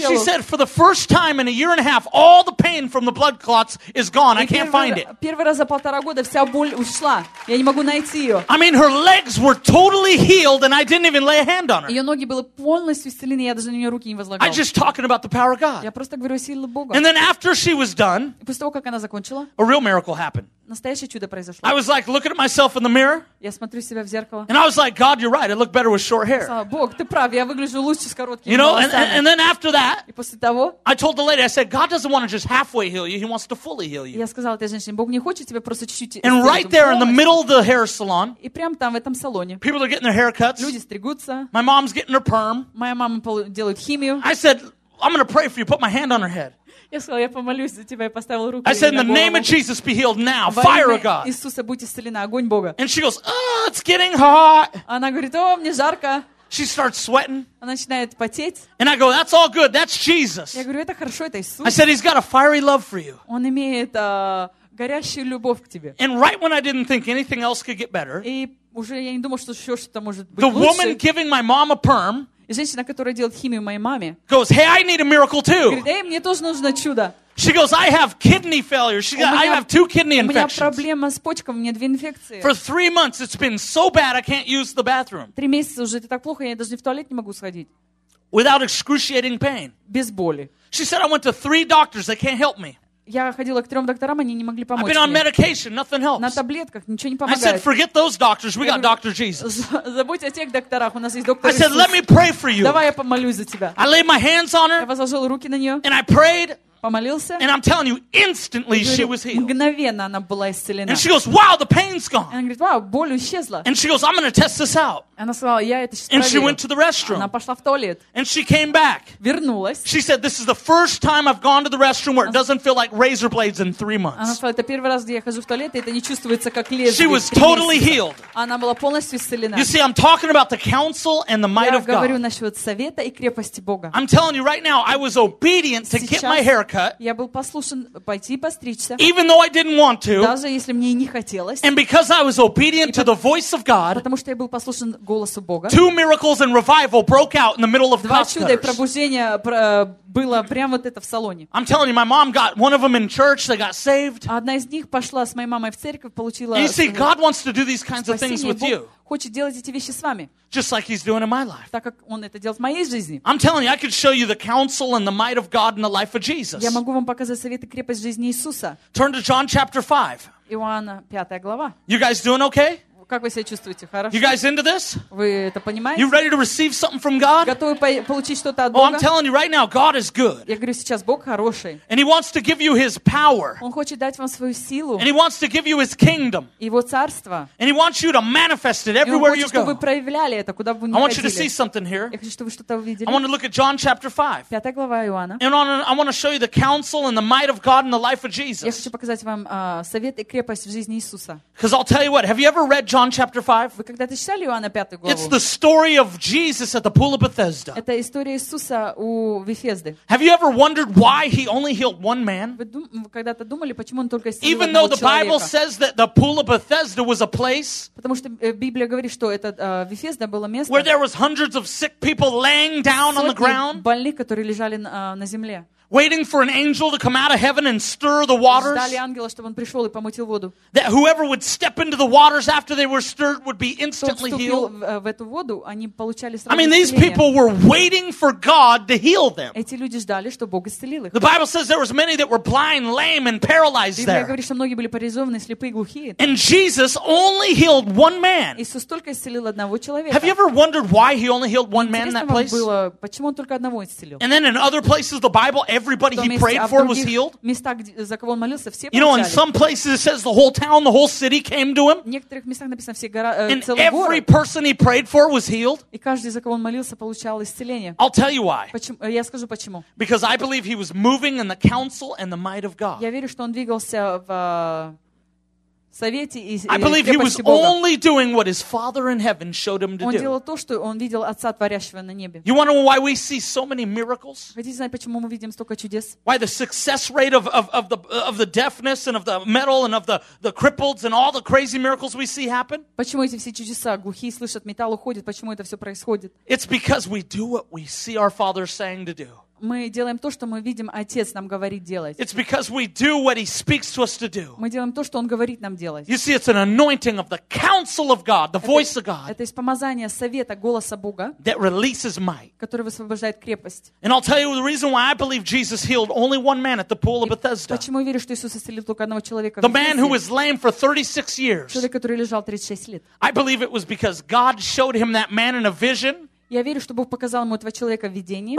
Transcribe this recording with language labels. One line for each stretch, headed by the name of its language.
English: And she said, for the first time in a year and a half, all the pain from the blood clots is gone. I can't find it.
Russian: Первый раз за полтора года вся боль ушла. Я не могу найти ее.
English: I mean, her legs were totally healed, and I didn't even lay a hand on her.
Russian: Ее ноги были полностью исцелены, я даже на нее руки не возлагал.
English: I'm just talking about the power of God.
Russian: Я просто говорю о силе Бога.
English: And then after she was done,
Russian: после того как она закончила,
English: a real miracle happened.
Russian: Настоящее чудо произошло.
English: I was like looking at myself in the mirror.
Russian: Я смотрю себя в зеркало.
English: And I was like, God, you're right. I look better with short hair.
Russian: Бог, ты прав. Я выгляжу лучше с короткими волосами.
English: And then after that,
Russian: и после того,
English: I told the lady, I said, God doesn't want to just halfway heal you. He wants to fully heal you.
Russian: Я сказал этой женщине, Бог не хочет тебя просто чуть-чуть исцелить.
English: And right there in the middle of the hair salon,
Russian: и прямо там в этом салоне,
English: people are getting their haircuts.
Russian: Люди стригутся.
English: My mom's getting her perm.
Russian: Моя мама делает химию.
English: I said, I'm going to pray for you. Put my hand on her head.
Russian: Я сказал, я помолюсь за тебя, я поставил руку.
English: I said, in the name of Jesus, be healed now. Fire of God.
Russian: Иисуса, будь исцелена, огонь Бога.
English: And she goes, oh, it's getting hot.
Russian: Она говорит, о, мне жарко.
English: She starts sweating.
Russian: Она начинает потеть.
English: And I go, that's all good. That's Jesus.
Russian: Я говорю, это хорошо, это Иисус.
English: I said, he's got a fiery love for you.
Russian: Он имеет горящую любовь к тебе.
English: And right when I didn't think anything else could get better,
Russian: и уже я не думал, что еще что-то может быть
English: the
Russian: лучше.
English: The woman giving my mom a perm.
Russian: И женщина, которая делает химию моей маме,
English: goes, hey, I need a miracle too.
Russian: Говорит, эй, мне тоже нужно чудо.
English: She goes, I have kidney failure. She goes, I have two kidney infections.
Russian: У меня проблема с почками, у меня две инфекции.
English: For 3 months it's been so bad I can't use the bathroom.
Russian: 3 месяца уже это так плохо, я даже в туалет не могу сходить.
English: Without excruciating pain.
Russian: Без боли.
English: She said, I went to 3 doctors, they can't help me.
Russian: Я ходила к 3 докторам, они не могли помочь
English: I've been on
Russian: мне.
English: Medication, nothing helps.
Russian: На таблетках ничего не помогает.
English: I said, forget those doctors, we got Dr. Jesus.
Russian: Забудь о тех докторах, у нас есть доктор
English: I said, let me pray for you.
Russian: Давай я помолюсь за тебя.
English: I laid my hands on her.
Russian: Я возложил руки на нее.
English: And I prayed.
Russian: Помолился.
English: And I'm telling you, instantly she was healed.
Russian: Мгновенно она была исцелена.
English: And she goes, wow, the pain's gone.
Russian: Она говорит, вау, боль исчезла.
English: And she goes, I'm gonna test this out.
Russian: Она сказала, я это
English: And she went to the restroom.
Russian: Она пошла в туалет.
English: And she came back.
Russian: Вернулась.
English: She said, this is the first time I've gone to the restroom where it doesn't feel like razor blades in 3 months.
Russian: Она сказала, это первый раз, где я хожу в туалет, и это не чувствуется как лезвие.
English: She was totally healed.
Russian: Она была полностью исцелена.
English: You see, I'm talking about the counsel and the might of God.
Russian: Я говорю насчет совета и крепости Бога.
English: I'm telling you right now, I was obedient to get my hair cut.
Russian: Я был послушен пойти постричься.
English: Even though I didn't want to.
Russian: Даже если мне не хотелось.
English: And because I was obedient to the voice of God.
Russian: Потому что я был послушен голосу Бога.
English: 2 miracles and revival broke out in the middle of Costco.
Russian: 2 чуда и пробуждение было прямо вот это в салоне.
English: I'm telling you, my mom got one of them in church. They got saved.
Russian: Одна из них пошла с моей мамой в церковь, получила.
English: You see, God wants to do these kinds of things with you.
Russian: Хочет делать эти вещи с вами.
English: Just like he's doing in my life.
Russian: Так как он это делает в моей жизни.
English: I'm telling you, I could show you the counsel and the might of God in the life of Jesus.
Russian: Я могу вам показать совет и крепость жизни Иисуса.
English: Turn to John chapter 5.
Russian: Иоанна 5 глава.
English: You guys doing okay?
Russian: Как вы себя чувствуете? Хорошо?
English: You guys into this?
Russian: Вы это понимаете?
English: You ready to receive something from God?
Russian: Готовы получить что-то от Бога?
English: Oh, I'm telling you right now, God is good.
Russian: Я говорю, сейчас Бог хороший.
English: And he wants to give you his power.
Russian: Он хочет дать вам свою силу.
English: And he wants to give you his kingdom.
Russian: Его царство.
English: And he wants you to manifest it everywhere
Russian: хочет,
English: you go.
Russian: Чтобы вы проявляли это, куда бы вы ни ходили.
English: I want you to see something here.
Russian: Я хочу, чтобы вы что-то увидели.
English: I want to look at John chapter 5.
Russian: Пятая глава Иоанна.
English: And I want to show you the counsel and the might of God in the life of Jesus.
Russian: Я хочу показать вам совет и крепость в жизни Иисуса.
English: Because I'll tell you what, have you ever read John chapter 5.
Russian: Вы когда-то читали Иоанна 5 главу?
English: It's the story of Jesus at the pool of Bethesda.
Russian: Это история Иисуса у Вифезды.
English: Have you ever wondered why he only healed one man?
Russian: Вы когда-то думали, почему он только исцелил одного человека?
English: Even though the Bible says that the pool of Bethesda was a place,
Russian: потому что Библия говорит, что это Вифезда было место,
English: where there was hundreds of sick people laying down on the ground,
Russian: больных, которые лежали на земле.
English: Waiting for an angel to come out of heaven and stir the waters.
Russian: Ждали ангела, чтобы он пришел и помутил воду.
English: That whoever would step into the waters after they were stirred would be instantly healed.
Russian: В эту воду, они получали сразу исцеление.
English: I mean, these people were waiting for God to heal them.
Russian: Эти люди ждали, что Бог исцелил их.
English: The Bible says there was many that were blind, lame, and paralyzed there.
Russian: Библия говорит, что многие были парализованы, слепые, глухие.
English: And Jesus only healed one man.
Russian: Иисус только исцелил одного человека.
English: Have you ever wondered why he only healed one man in that place?
Russian: Было, почему он только одного исцелил?
English: And then in other places the Bible everybody he prayed for was healed.
Russian: Местах, за кого он молился, все
English: you know, in some places it says the whole town, the whole city came to him.
Russian: В некоторых местах написано, все гора,
English: and every
Russian: город.
English: Person he prayed for was healed.
Russian: И каждый, за кого он молился, получал исцеление.
English: I'll tell you why.
Russian: Почему, я скажу почему.
English: Because I believe he was moving in the counsel and the might of God.
Russian: Я верю, что он двигался в совете и
English: I believe he was only doing what his Father in heaven showed him to do.
Russian: Он делал то, что он видел Отца творящего на небе.
English: You wonder why we see so many miracles?
Russian: Хотите знать, почему мы видим столько чудес?
English: Why the success rate of the deafness and of the metal and of the crippled and all the crazy miracles we see happen?
Russian: Почему эти все чудеса? Глухие слышат, металл уходит. Почему это все происходит?
English: It's because we do what we see our Father saying to do.
Russian: Мы делаем то, что мы видим Отец нам говорит делать.
English: It's because we do what he speaks to us to do.
Russian: Мы делаем то, что он говорит нам делать.
English: You see, it's an anointing of the counsel of God, the voice of God.
Russian: Это помазание совета, голоса Бога.
English: That releases might.
Russian: Которое высвобождает крепость.
English: And I'll tell you the reason why I believe Jesus healed only one man at the pool of Bethesda.
Russian: Почему я верю, что Иисус исцелил только одного человека?
English: The man who was lame for 36 years.
Russian: Человек, который лежал 36 лет.
English: I believe it was because God showed him that man in a vision.
Russian: Я верю, что Бог показал ему этого человека в видении.